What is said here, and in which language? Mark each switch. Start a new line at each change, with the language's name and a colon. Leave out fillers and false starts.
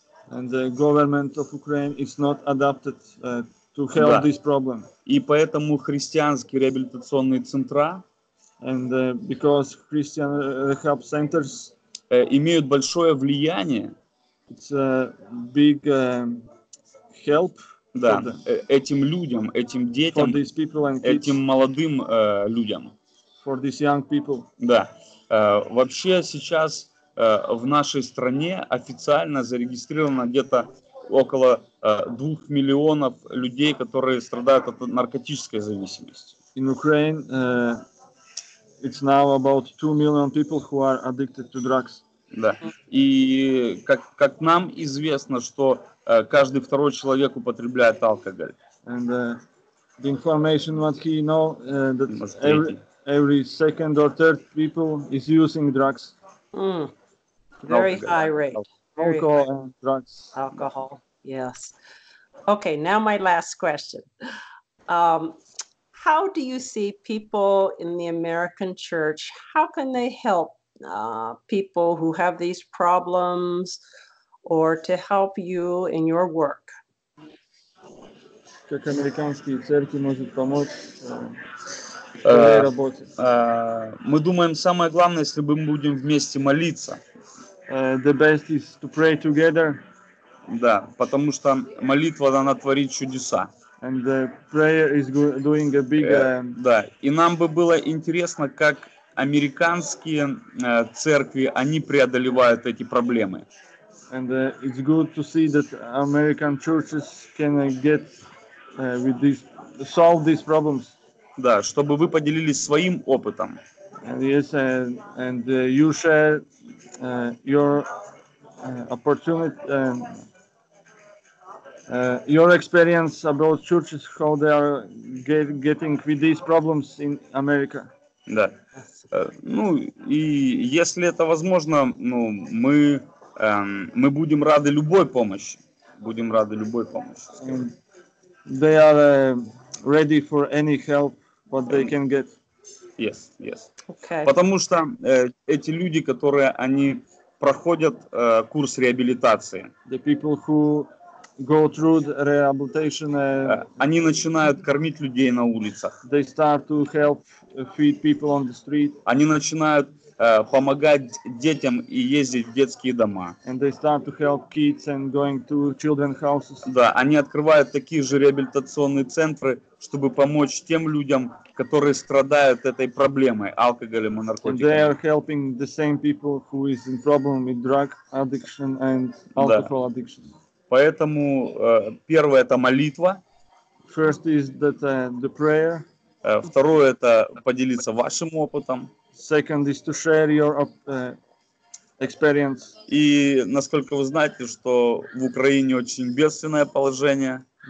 English: And the government of Ukraine is not adapted to help,
Russian: да,
English: this problem.
Russian: И поэтому христианские реабилитационные центра
English: and because Christian rehab centers
Russian: имеют большое влияние.
English: It's a big help.
Russian: Да, этим людям, этим детям,
English: for these people and kids,
Russian: этим молодым людям.
English: For these young people.
Russian: Да. Вообще сейчас в нашей стране официально зарегистрировано где-то около 2 миллионов людей, которые страдают от наркотической зависимости.
English: In Ukraine, it's now about 2 million people who are addicted to drugs.
Russian: Да. И как нам известно, что каждый второй человек употребляет алкоголь.
English: And the information what he know that every second or third people is using drugs. Very high rate. Alcohol and drugs. Alcohol, yes. Okay, now my last question. How do you see people in the American church, how can they help people who have these problems or to help you in your work?
Russian: Как американские церкви могут помочь работе? Мы думаем, самое главное, если мы будем вместе молиться.
English: The best is to pray together.
Russian: Да, потому что молитва, она творит чудеса.
English: And the prayer is doing a big...
Russian: Да, и нам бы было интересно, как американские церкви, они преодолевают эти проблемы.
English: And it's good to see that American churches can get with this, solve these problems.
Russian: Да, чтобы вы поделились своим опытом.
English: And yes, and you share your opportunity, your experience about churches, how they are getting with these problems in America.
Russian: Да. Ну, и если это возможно, ну, мы будем рады любой помощи. Будем рады любой помощи.
English: They are ready for any help what they can get. Yes, yes. Okay.
Russian: Потому что эти люди, которые они проходят курс реабилитации.
English: The people who go through the rehabilitation.
Russian: Они начинают кормить людей на улицах.
English: They start to help feed people on the street.
Russian: Они начинают помогать детям и ездить в детские дома.
English: And they start to help kids and going to children houses.
Russian: Да, они открывают такие же реабилитационные центры, чтобы помочь тем людям, которые страдают этой проблемой, алкоголем и наркотиками.
English: They are helping the same people who is in problem with drug addiction and alcohol addiction.
Russian: Поэтому первое — это молитва.
English: First is that the prayer.
Russian: Второе — это поделиться вашим опытом.
English: Second is to share your experience.
Russian: И насколько вы знаете, что в Украине очень бедственное положение.